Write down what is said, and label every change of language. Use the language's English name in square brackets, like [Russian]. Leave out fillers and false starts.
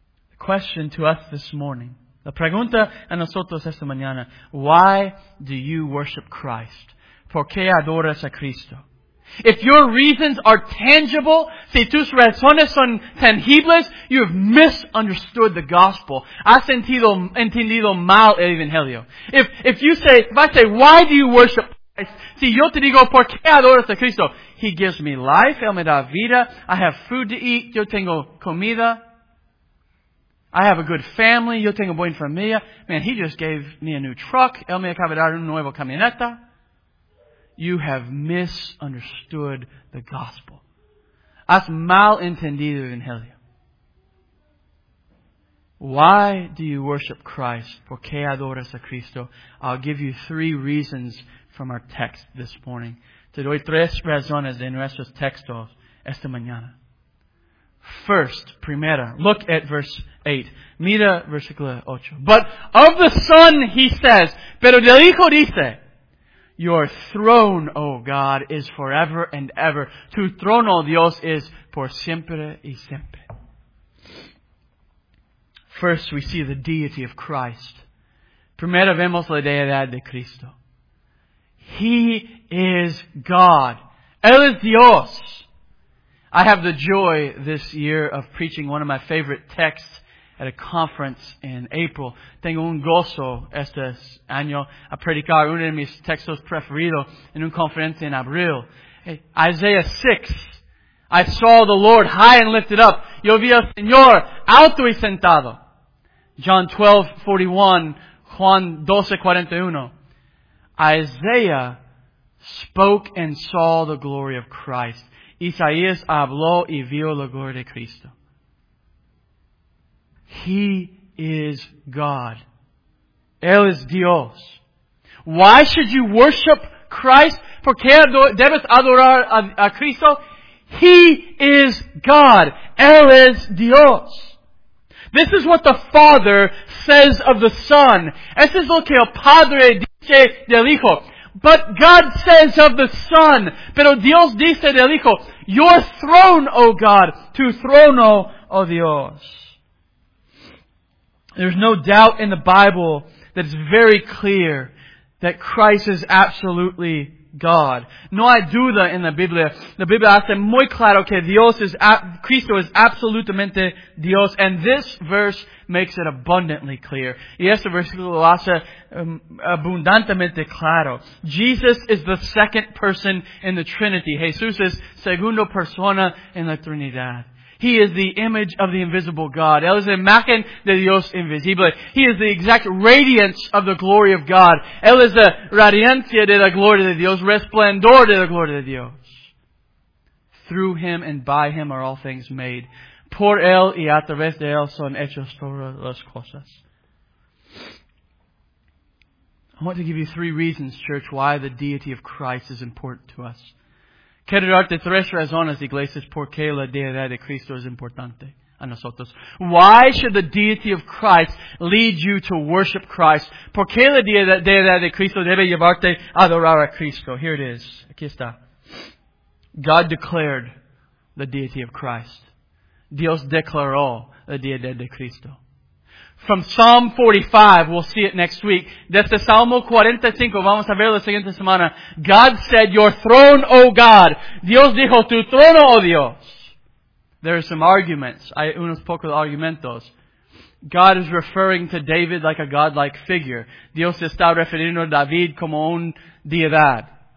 [English] The question to us this morning, [Spanish] la pregunta a nosotros esta mañana, [English] why do you worship Christ? [Spanish] ¿Por qué adoras a Cristo? [English] If your reasons are tangible, [Spanish] si tus razones son tangibles, [English] you have misunderstood the gospel. [Spanish] Has entendido mal el evangelio. [English] If I say, why do you worship Christ? [Spanish] Si yo te digo, ¿por qué adoras a Cristo? [English] He gives me life, [Spanish] Él me da vida, [English] I have food to eat, [Spanish] yo tengo comida, [English] I have a good family, [Spanish] yo tengo buena familia. [English] Man, He just gave me a new truck, [Spanish] Él me acaba de dar una nueva camioneta. [English] You have misunderstood the gospel. [Spanish] Has mal entendido el evangelio. [English] Why do you worship Christ? [Spanish] ¿Por qué adoras a Cristo? [English] I'll give you three reasons from our text this morning. [Spanish] Te doy tres razones de nuestros textos esta mañana. [English] First, [Spanish] primera, [English] look at verse 8. [Spanish] Mira versículo 8. [English] But of the Son, He says, [Spanish] pero del Hijo dice, [English] Your throne, O God, is forever and ever. [Spanish] Tu trono, Dios, is por siempre y siempre. [English] First, we see the deity of Christ. [Spanish] Primero vemos la deidad de Cristo. [English] He is God. [Spanish] Él es Dios. [English] I have the joy this year of preaching one of my favorite texts at a conference in April. [Spanish] Tengo un gozo este año a predicar uno de mis textos preferidos en una conferencia en abril. [English] Hey, Isaiah 6. I saw the Lord high and lifted up. [Spanish] Yo vi al Señor alto y sentado. [English] John 12:41. Juan 12:41. Isaiah spoke and saw the glory of Christ. [Spanish] Isaías habló y vio la gloria de Cristo. [English] He is God. [Spanish] Él es Dios. [English] Why should you worship Christ? [Spanish] ¿Por qué debes adorar a Cristo? [English] He is God. [Spanish] Él es Dios. [English] This is what the Father says of the Son. [Spanish] Esto es lo que el Padre dice del Hijo. [English] But God says of the Son, [Spanish] pero Dios dice del Hijo, [English] Your throne, O God, [Spanish] tu trono, O Dios. [English] There's no doubt in the Bible that it's very clear that Christ is absolutely God. [Spanish] No hay duda en la Biblia. La Biblia hace muy claro que Cristo es absolutamente Dios. [English] And this verse makes it abundantly clear. [Spanish] Y este versículo lo hace abundantemente claro. [English] Jesus is the second person in the Trinity. [Spanish] Jesús es segundo persona en la Trinidad. [English] He is the image of the invisible God. [Spanish] Él es la imagen de Dios invisible. [English] He is the exact radiance of the glory of God. [Spanish] Él es la radiancia de la gloria de Dios, resplandor de la gloria de Dios. [English] Through Him and by Him are all things made. [Spanish] Por Él y a través de Él son hechas todas las cosas. [English] I want to give you three reasons, church, why the deity of Christ is important to us. [Spanish] Quiero darte tres razones, iglesias, por qué la deidad de Cristo es importante a nosotros. [English] Why should the deity of Christ lead you to worship Christ? [Spanish] Por qué la deidad de Cristo debe llevarte a adorar a Cristo? [English] Here it is. [Spanish] Aquí está. [English] God declared the deity of Christ. [Spanish] Dios declaró la deidad de Cristo. [English] From Psalm 45, we'll see it next week. [Spanish] Desde Salmo 45, vamos a ver la siguiente semana. [English] God said, Your throne, O God. [Spanish] Dios dijo, Tu trono, O Dios. [English] There are some arguments. [Spanish] Hay unos pocos argumentos. [English] God is referring to David like a godlike figure. [Spanish] Dios está refiriendo a David como un deidad.